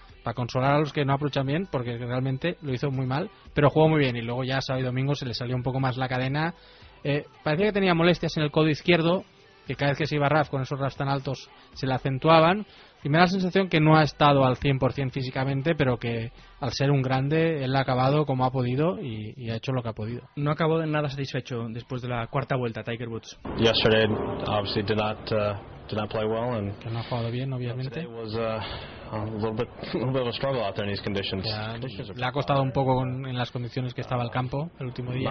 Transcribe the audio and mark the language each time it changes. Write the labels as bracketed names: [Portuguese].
[Spanish] para consolar a los que no aprovechan bien, porque realmente lo hizo muy mal, pero jugó muy bien. Y luego ya sábado y domingo se le salió un poco más la cadena, parecía que tenía molestias en el codo izquierdo, que cada vez que se iba rough con esos roughs tan altos se le acentuaban. Y me da la sensación que no ha estado al 100% físicamente, pero que al ser un grande, él ha acabado como ha podido y ha hecho lo que ha podido. No acabó de nada satisfecho después de la cuarta vuelta, Tiger Woods. [English] Yesterday, obviously, did not play well. And [Spanish] que no ha jugado bien, obviamente. [English] Today was a little bit of a struggle out there in these conditions. [Spanish] Le ha costado un poco en las condiciones que estaba el campo el último día.